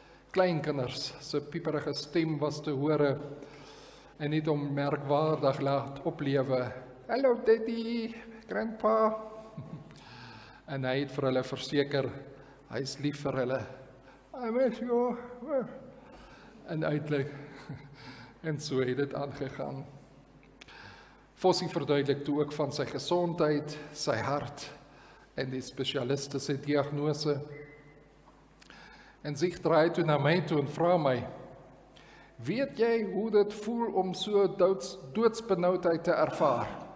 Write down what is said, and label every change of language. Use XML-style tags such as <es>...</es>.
<af>Kleinkinders, se pieperige stem was te hore, en het hom merkwaardig laat oplewe.</af> <en>Hallo daddy, grandpa.</en> <af>En hy het vir hulle verseker, hy is lief vir hulle.</af> <en>I miss you.</en> <af>En uitlik, en so het dit aangegaan. Fossie verduidelik toe ook van sy gesondheid, sy hart, en die specialiste sy diagnose. En sig draai toe na my toe en vraag my, weet jy hoe dit voel om so doodsbenauwdheid te ervaar?</af>